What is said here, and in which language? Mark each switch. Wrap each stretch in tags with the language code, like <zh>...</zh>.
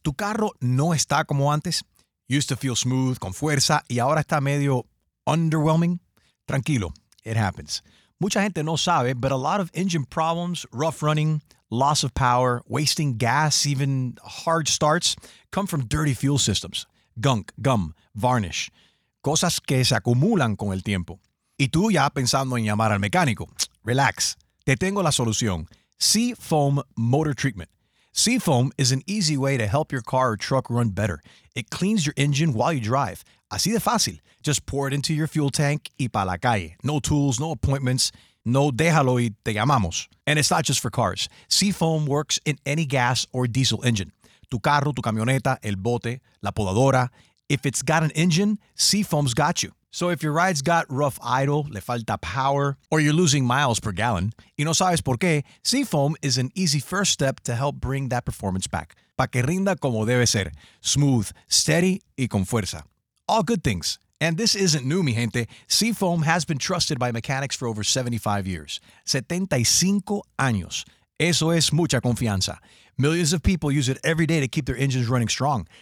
<es>¿Tu carro no está como antes?</es> <en>Used to feel smooth,</en> <es>con fuerza, y ahora está medio</es> <en>underwhelming?</en> <es>Tranquilo,</es> <en>it happens.</en> <es>Mucha gente no sabe,</es> <en>but a lot of engine problems, rough running, loss of power, wasting gas, even hard starts, come from dirty fuel systems. Gunk, gum, varnish.</en> <es>Cosas que se acumulan con el tiempo. Y tú ya pensando en llamar al mecánico. Relax. Te tengo la solución. Seafoam Motor Treatment.</es> <en>Seafoam is an easy way to help your car or truck run better. It cleans your engine while you drive.</en> <es>Así de fácil.</es> <en>Just pour it into your fuel tank</en> <es>y pa' la calle.</es> <en>No tools, no appointments.</en> <es>No déjalo y te llamamos.</es> <en>And it's not just for cars. Seafoam works in any gas or diesel engine.</en> <es>Tu carro, tu camioneta, el bote, la podadora.</es> <en>If it's got an engine, Seafoam's got you. So if your ride's got rough idle,</en> <es>le falta power,</es> <en>or you're losing miles per gallon,</en> <es>y no sabes por qué,</es> <en>Seafoam is an easy first step to help bring that performance back.</en> <es>Pa' que rinda como debe ser.</es> <en>Smooth, steady,</en> <es>y con fuerza.</es> <en>All good things. And this isn't new,</en> <es>mi gente.</es> <en>Seafoam has been trusted by mechanics for over 75 years.</en> <es>75 años. Eso es mucha confianza.</es> <en>Millions of people use it every day to keep their engines running strong.</en>